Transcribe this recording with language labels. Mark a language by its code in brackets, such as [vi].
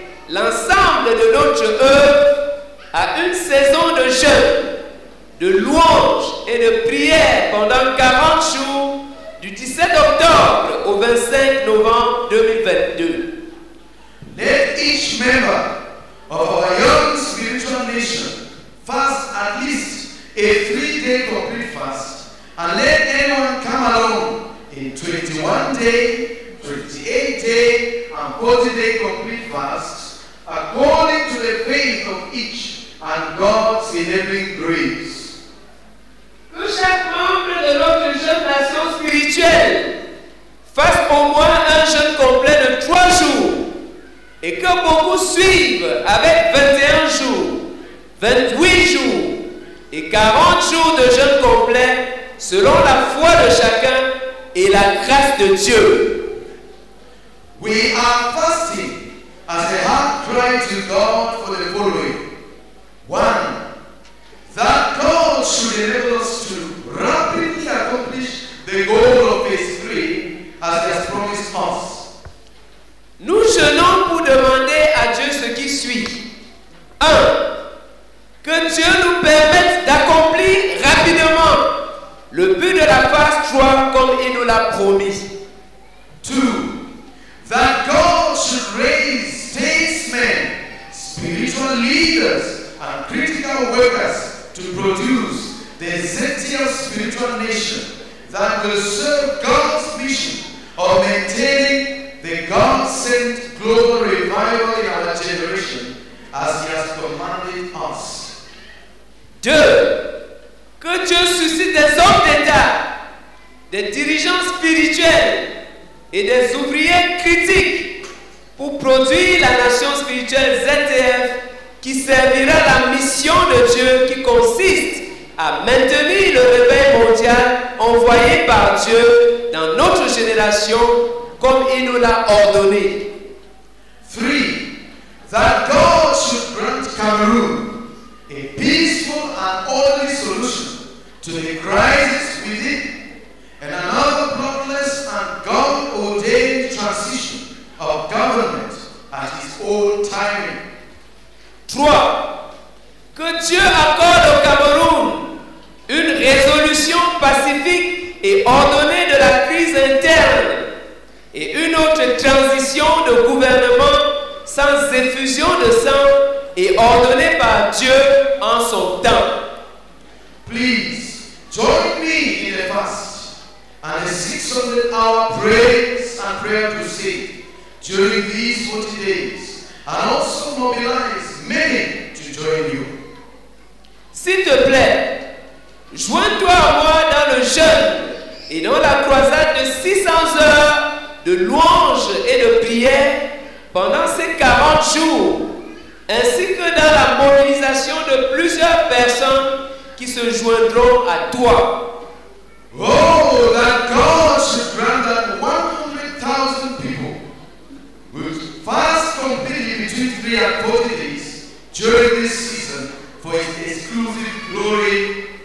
[fr] l'ensemble de notre œuvre à une saison de jeûne, de louange et de prière pendant 40 jours du 17 octobre au 25 novembre 2022. [en] Let each member of our young spiritual nation fast at least a 3-day complete fast, and let anyone come along in 21-day, 28-day, and 40-day complete fasts according to the faith of each and God's enabling grace. [fr] Que chaque membre de notre jeune nation spirituelle fasse au moins un jeûne complet de 3 jours et que beaucoup suivent avec 21 jours, 28 jours et 40 jours de jeûne complet selon la foi de chacun et la grâce de Dieu. [en] We are fasting as a heart cry to God for the following. 1. That God should enable us to rapidly accomplish the goal of His free as He has promised us. [fr] Nous jeûnons pour demander à Dieu ce qui suit. 1. Que Dieu nous permette d'accomplir rapidement le but de la phase 3 comme il nous l'a promis. 2. [en] That God should raise statesmen, spiritual leaders, and critical workers to produce the zealous spiritual nation that will serve God's mission of maintaining the God-sent global revival in our generation as He has commanded us. 2. [fr] Que Dieu suscite des hommes d'État, des dirigeants spirituels et des ouvriers critiques pour produire la nation spirituelle ZTF qui servira la mission de Dieu qui consiste à maintenir le réveil mondial envoyé par Dieu dans notre génération comme il nous l'a ordonné. 3. [en] That God should grant Cameroon a peaceful and orderly solution to the crisis within and another bloodless and God-ordained transition of government at its own timing. 3. [fr] Que Dieu accorde au Cameroun une résolution pacifique et ordonnée de la crise interne et une autre transition de gouvernement sans effusion de sang et ordonnée par Dieu en son temps. [en] Please join me in a fast and a 600-hour praise and prayer crusade during these 40 days and also mobilize many to join you. [fr] S'il te plaît, joins-toi à moi dans le jeûne et dans la croisade de 600 heures de louange et de prière pendant ces 40 jours, ainsi que dans la mobilisation de plusieurs personnes qui se joindront à toi. [en] Oh, that God should grant that 100,000 people will fast completely between 3 and 40 days during this season for His exclusive glory.